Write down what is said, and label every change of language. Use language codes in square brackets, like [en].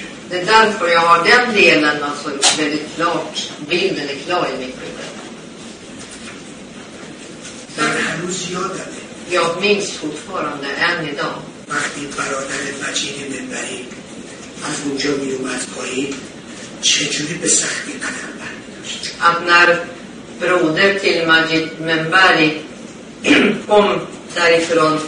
[sv] Det är därför jag har den delen alltså väldigt klart, bilden är klar i mitt huvud. Bara han gjorde det. Jag minns fortfarande än idag. [fa] وقتی برادر وجید منبری از اونجا می اومد پایین چجوری به سختی قدم برمی داشت اب نر [sv] broder till Majid Membari kom därifrån